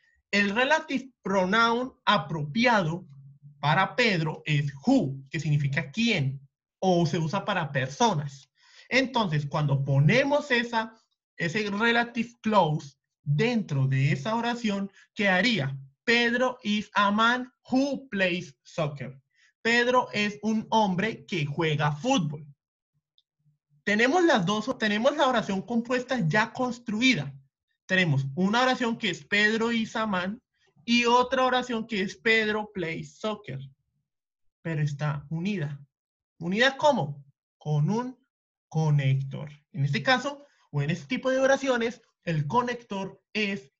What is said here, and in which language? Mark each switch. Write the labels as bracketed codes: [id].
[es] El relative pronoun apropiado para Pedro es who, que significa quién, o se usa para personas. Entonces, cuando ponemos ese relative clause dentro de esa oración, ¿qué haría? [en] Pedro is a man who plays soccer. [es] Pedro es un hombre que juega fútbol. Tenemos las dos, tenemos la oración compuesta ya construida. Tenemos una oración que es [en] Pedro is a man [es] y otra oración que es [en] Pedro plays soccer. [es] Pero está unida. ¿Unida cómo? Con un conector. En este caso, o en este tipo de oraciones, el conector es